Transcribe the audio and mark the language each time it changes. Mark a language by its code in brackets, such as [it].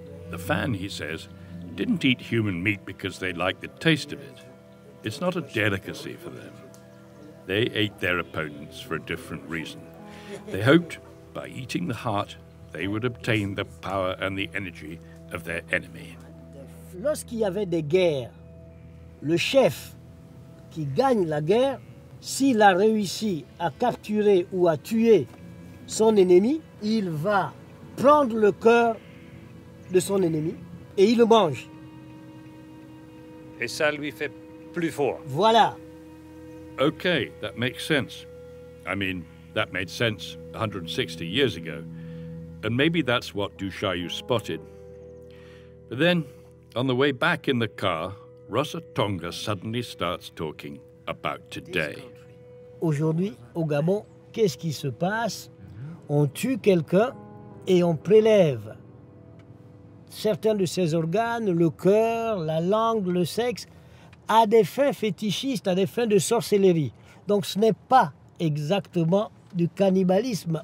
[en] The Fan, he says, didn't eat human meat because they liked the taste of it. It's not a delicacy for them. They ate their opponents for a different reason. They hoped, by eating the heart, they would obtain the power and the energy of their enemy. [fr] Lorsqu'il y avait des guerres, le chef qui gagne la guerre, s'il a réussi à capturer ou à tuer son ennemi, il va prendre le cœur de son ennemi et il le mange. Et ça lui fait plus fort. Voilà. [en] Okay, that makes sense. I mean, that made sense 160 years ago. And maybe that's what Du Chaillu spotted. But then, on the way back in the car, Rossa Tonga suddenly starts talking about today. [fr] Aujourd'hui, au Gabon, qu'est-ce qui se passe? On tue quelqu'un et on prélève certains de ses organes, le cœur, la langue, le sexe, à des fins fétichistes, à des fins de sorcellerie. Donc ce n'est pas exactement du cannibalisme.